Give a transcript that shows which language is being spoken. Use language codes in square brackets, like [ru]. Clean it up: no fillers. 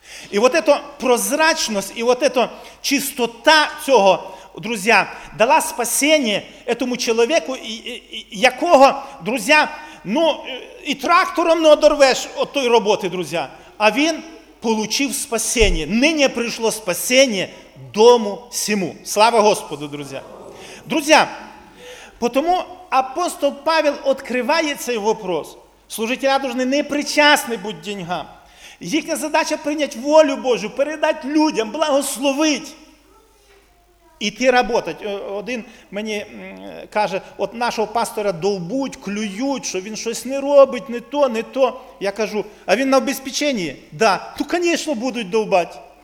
[uk] І от ця прозрачність, і от ця чистота цього, друзі, дала спасіння цьому чоловіку, якого, друзі, ну, і трактором не одорвеш от тої роботи, друзі. А він отримав спасіння. Нині прийшло спасіння дому всьому. Слава Господу, друзі. Друзі, тому апостол Павел відкриває цей вопрос. [ru] Служителя должны не причастны будь деньгам. [uk] Їхня задача прийняти волю Божу, передати людям, благословити. І ти працювати. Один мені каже, от нашого пастора довбуть, клюють, що він щось не робить, не то, не то. Я кажу, а він на обезпеченні? Так. Да. Ну, звісно, будуть довбати.